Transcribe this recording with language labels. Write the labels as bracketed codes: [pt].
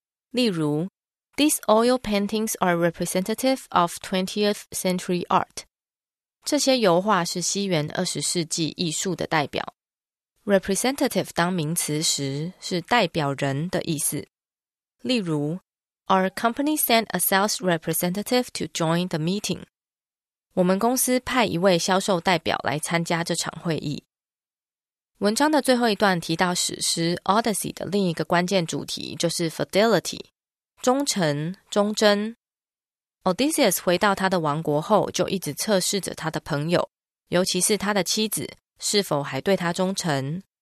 [zh] 例如 [en] ,These oil paintings are representative of 20th century art. [zh] 这些油画是西元20世纪艺术的代表。 Representative 当名词时是代表人的意思。例如 [en] ,Our company sent a sales representative to join the meeting. [zh] 我们公司派一位销售代表来参加这场会议。文章的最后一段提到史诗 Odyssey 的另一个关键主题就是 Fidelity, 忠诚、忠贞。 Odysseus 回到他的王国后就一直测试着他的朋友，尤其是他的妻子，是否还对他忠诚。